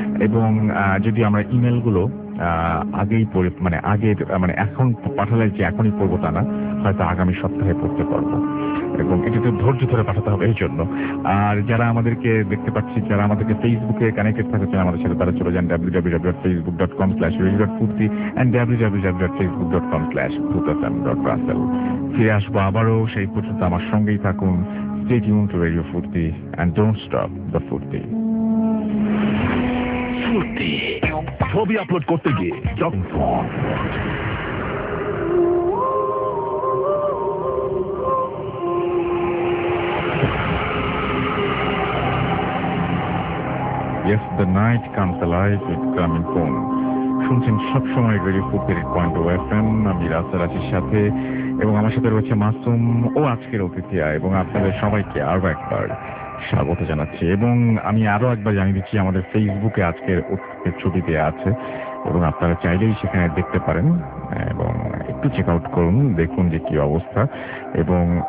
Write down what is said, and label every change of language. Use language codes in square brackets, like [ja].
[bn] এবং যদি আমরা ইমেলগুলো আগেই পড়ে মানে আগে মানে এখন পাঠালে যে এখনই পড়বো তা না, হয়তো আগামী সপ্তাহে পড়তে পারবো এবং এটাকে ধৈর্য ধরে পাঠাতে হবে এই জন্য। আর যারা আমাদেরকে দেখতে পাচ্ছি, যারা আমাদেরকে ফেসবুকে কানেক্টেড থাকতে চান আমাদের সাথে, তারা চলে যান www.facebook.com/radio.futi and www.facebook.com/bhutasam.rasel। ফিরে আসবো আবারও, সেই পর্যন্ত আমার সঙ্গেই থাকুন। [en] Stay tuned to Radio Futi and don't stop the Futi. [bn] Futi. ছবি আপলোড করতে গিয়ে যখন [en] Yes, the night comes alive with Gramin Phone. [bn] শুনছেন সবসময় রেডিও পুকুরের পয়েন্ট ও FM, আমি রাসেল আছি সাথে এবং আমার সাথে রয়েছে মাসুম ও আজকের অতিথিয়া এবং আপনাদের সবাইকে আরও একবার স্বাগত জানাচ্ছি এবং আমি আরও একবার জানিয়ে দিচ্ছি আমাদের ফেসবুকে আজকের অতিথির ছবি দেওয়া আছে এবং আপনারা চাইলেই সেখানে দেখতে পারেন এবং একটু চেক আউট করুন, দেখুন যে কী অবস্থা এবং